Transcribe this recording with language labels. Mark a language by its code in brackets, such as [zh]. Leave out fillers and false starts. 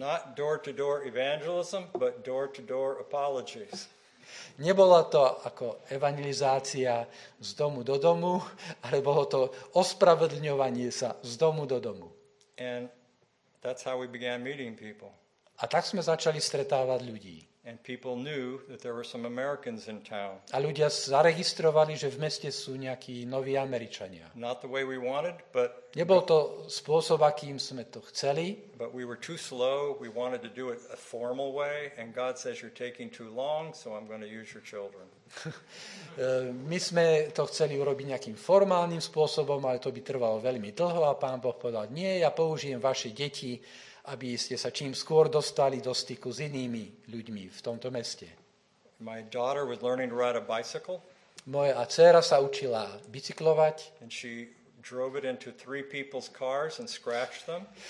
[en] Not door-to-door evangelism, but door-to-door apologies. [sk] Nebola to ako evangelizácia z domu do domu, ale bolo to ospravedlňovanie sa z domu do domu. [en] And that's how we began meeting people. [sk] A tak sme začali stretávať ľudí. [en] And people knew that there were some Americans in town. [sk] A ľudia zaregistrovali, že v meste sú nejakí noví Američania. [en] Not the way we wanted, but [sk] nebol to spôsob, akým sme to chceli. [en] But we were too slow. We wanted to do it a formal way, and God says you're taking too long, so I'm going to use your children. [sk] My sme to chceli urobiť nejakým formálnym spôsobom, ale to by trvalo veľmi dlho, a Pán Boh povedal: "Nie, ja použijem vaše deti, aby ste sa čím skôr dostali do styku s inými ľuďmi v tomto meste." [en] My daughter was learning to ride a bicycle. [sk] Moja dcéra sa učila bicyklovať. [en] And she drove it into three people's cars and scratched them.